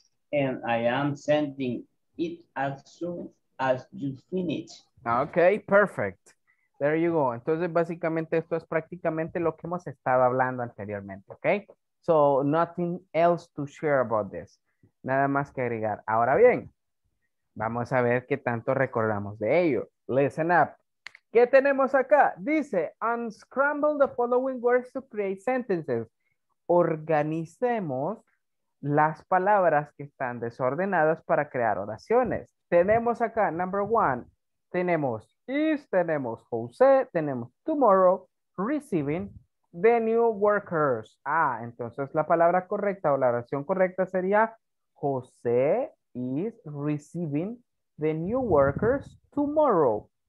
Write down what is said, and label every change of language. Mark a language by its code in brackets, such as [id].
[en] And I am sending it as soon as you finish. Okay, perfect. There you go. [es] Entonces, básicamente, esto es prácticamente lo que hemos estado hablando anteriormente, okay? [en] So, nothing else to share about this. [es] Nada más que agregar. Ahora bien, vamos a ver qué tanto recordamos de ello. [en] Listen up. [es] ¿Qué tenemos acá? [en] Dice, unscramble the following words to create sentences. [es] Organicemos las palabras que están desordenadas para crear oraciones. Tenemos acá, [en] number one, tenemos is, tenemos Jose, tenemos tomorrow, receiving the new workers. [es] Ah, entonces la palabra correcta o la oración correcta sería [en] Jose is receiving the new workers tomorrow.